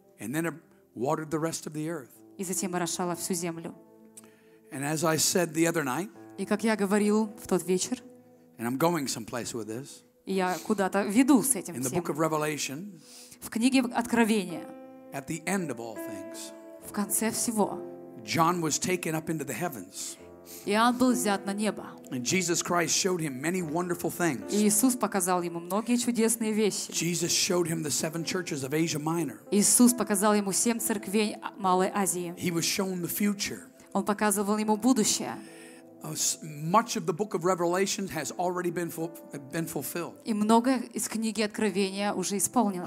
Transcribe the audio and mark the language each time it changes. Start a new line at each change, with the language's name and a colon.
English: And then it watered the rest of the earth.
Russian: И затем орошала всю землю.
English: And as I said the other night,
Russian: и как я говорил в тот вечер,
English: and I'm going someplace with this,
Russian: я куда-то веду с этим
English: in the book of Revelation,
Russian: в книге Откровения,
English: at the end of all things,
Russian: в конце всего,
English: John was taken up into the heavens,
Russian: Иоанн был взят на небо,
English: and Jesus Christ showed him many wonderful things.
Russian: И Иисус показал ему многие чудесные вещи.
English: Jesus showed him the seven churches of Asia Minor.
Russian: Иисус показал ему семь церквей Малой Азии.
English: He was shown the future.
Russian: Он показывал ему будущее.
English: Much of the book of Revelation has already been fulfilled.
Russian: И многое из книги Откровения уже исполнилось.